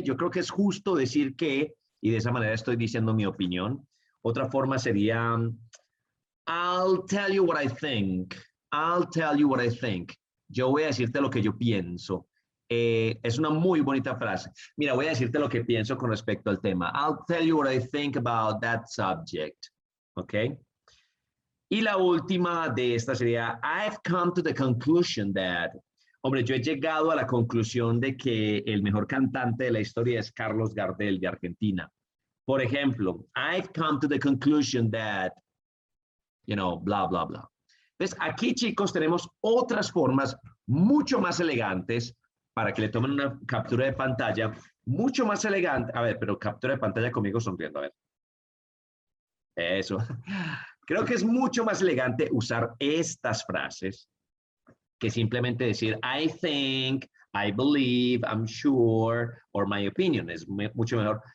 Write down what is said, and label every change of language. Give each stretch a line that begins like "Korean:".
Spanish: Yo creo que es justo decir que, y de esa manera estoy diciendo mi opinión. Otra forma sería,
English: I'll tell you what I think. I'll tell you what I think.
Spanish: Yo voy a decirte lo que yo pienso. Es una muy bonita frase. Mira, voy a decirte lo que pienso con respecto al tema.
English: I'll tell you what I think about that subject.
Spanish: ¿Ok? Y la última de esta sería,
English: I've come to the conclusion that...
Spanish: Hombre, yo he llegado a la conclusión de que el mejor cantante de la historia es Carlos Gardel de Argentina. Por ejemplo,
English: I've come to the conclusion that... You know, blah, blah, blah.
Spanish: Entonces, aquí, chicos, tenemos otras formas mucho más elegantes para que le tomen una captura de pantalla mucho más elegante. A ver, pero captura de pantalla conmigo sonriendo, a ver. Eso. Creo que es mucho más elegante usar estas frases que simplemente decir
English: I think, I believe, I'm sure, or my opinion.
Spanish: Es mucho mejor.